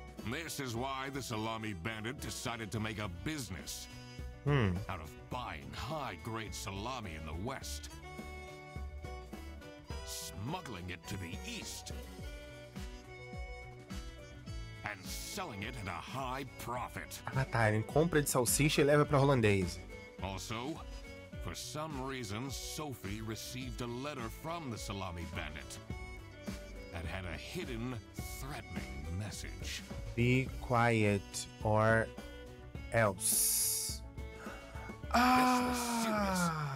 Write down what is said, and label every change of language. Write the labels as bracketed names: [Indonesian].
[English] This is why the salami bandit decided to make a business out of buying high-grade salami in the West, smuggling it to the East, and selling it at a high profit. [Portuguese] Ah, tá, ele compra de salsicha e leva para holandês. [English] Also, for some reason, Sophie received a letter from the salami bandit that had a hidden, threatening message. Be quiet or else. This was serious.